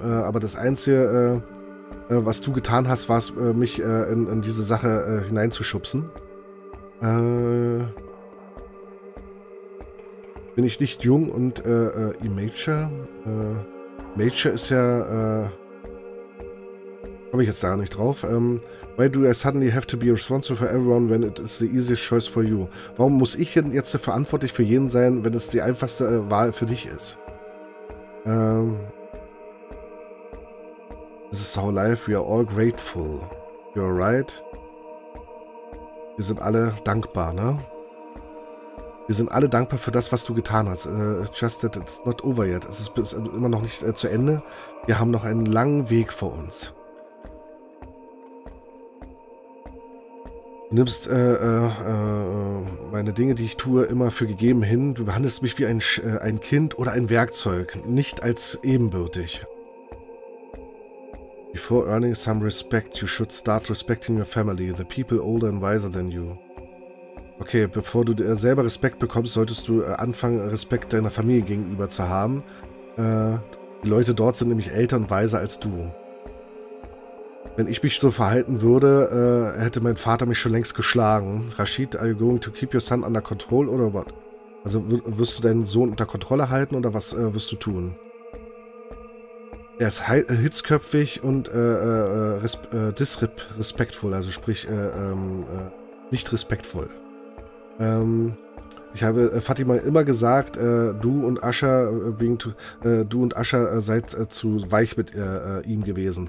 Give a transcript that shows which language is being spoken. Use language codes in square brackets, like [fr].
[de] Aber das Einzige, was du getan hast, war es, mich in diese Sache hineinzuschubsen. Bin ich nicht jung und Major? Major ist ja, habe ich jetzt da nicht drauf. [en] Why do I suddenly have to be responsible for everyone when it is the easiest choice for you? [de] Warum muss ich denn jetzt verantwortlich für jeden sein, wenn es die einfachste Wahl für dich ist? [en] This is our life, we are all grateful. You're right. [de] Wir sind alle dankbar, ne? Wir sind alle dankbar für das, was du getan hast. [en] It's just that it's not over yet. [de] Es ist immer noch nicht zu Ende. Wir haben noch einen langen Weg vor uns. nimmst meine Dinge, die ich tue, immer für gegeben hin. Du behandelst mich wie ein Kind oder ein Werkzeug, nicht als ebenbürtig. [en] Before earning some respect, you should start respecting your family, the people older and wiser than you. [de] Okay, bevor du selber Respekt bekommst, solltest du anfangen, Respekt deiner Familie gegenüber zu haben. Die Leute dort sind nämlich älter und weiser als du. Wenn ich mich so verhalten würde, hätte mein Vater mich schon längst geschlagen. [en] Rashid, are you going to keep your son under control oder what? [de] Also wirst du deinen Sohn unter Kontrolle halten oder was wirst du tun? Er ist hitzköpfig und disrespektvoll, also sprich nicht respektvoll. Ich habe Fatima immer gesagt, du und Asha seid zu weich mit ihm gewesen.